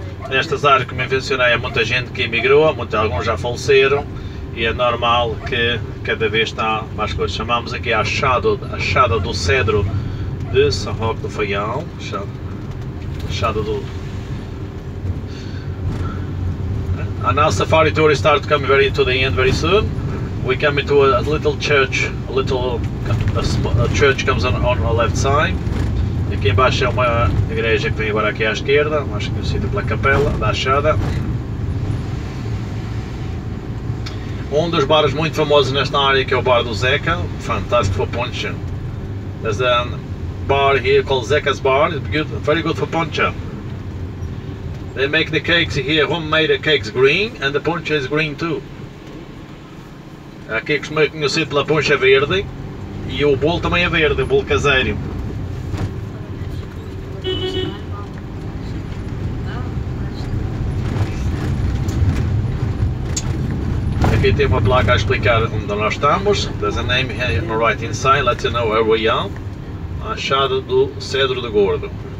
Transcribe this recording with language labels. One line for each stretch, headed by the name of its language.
Portuguese: Nestas áreas que me mencionei, há muita gente que emigrou, muitos, alguns já faleceram e é normal que cada vez está mais coisas. Chamamos aqui a Achada do Cedro de São Roque do Faião. Achada do.
English: And now safari tour is starting to come very to the end very soon. We're coming to a little church, a church comes on our left side.
Portuguese: Aqui embaixo é uma igreja que vem agora aqui à esquerda, mais conhecida pela capela da Achada. Um dos bares muito famosos nesta área que é o bar do Zeca, fantástico
English: for poncho. There's a bar here called Zeca's Bar, it's good, very good for poncho. They make the cakes here, homemade cakes green, and the poncho is green too.
Portuguese: Aqui costuma ser conhecido pela poncha verde, e o bolo também é verde, o bolo caseiro. Aqui tem uma placa a explicar onde nós estamos.
English: There's a name here on the right inside, let you know where we are. Achada do Cedro do Gordo.